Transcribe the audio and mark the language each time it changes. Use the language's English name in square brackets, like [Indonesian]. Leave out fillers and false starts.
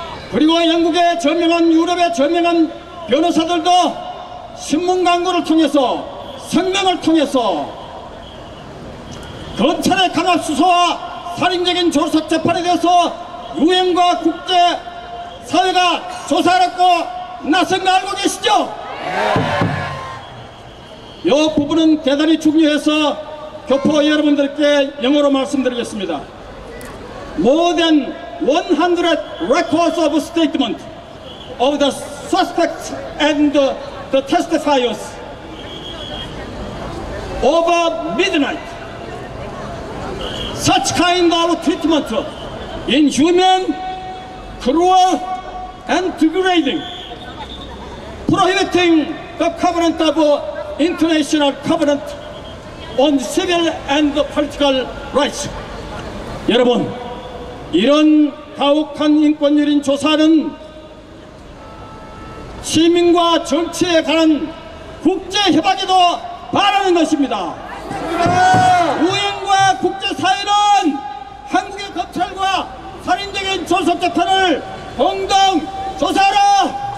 [Korean] 그리고 영국의 저명한 유럽의 저명한 변호사들도 신문 광고를 통해서 성명을 통해서 검찰의 강압 수사와 살인적인 조사 재판에 대해서 유엔과 국제사회가 조사하라고 나선 거 알고 계시죠? 이 부분은 대단히 중요해서 교포 여러분들께 영어로 말씀드리겠습니다. [English] More than 100 records of statement of the suspects and the testifiers over midnight. Such kind of treatment, inhuman, cruel, and degrading, prohibiting the covenant of international covenant on civil and political rights. [Korean] 여러분, 이런 가혹한 인권유린 조사는 시민과 정치에 관한 국제 협약에도 반하는 것입니다. 우연과 국제사회는 한국의 검찰과 살인적인 조사 재판을 공동 조사하라!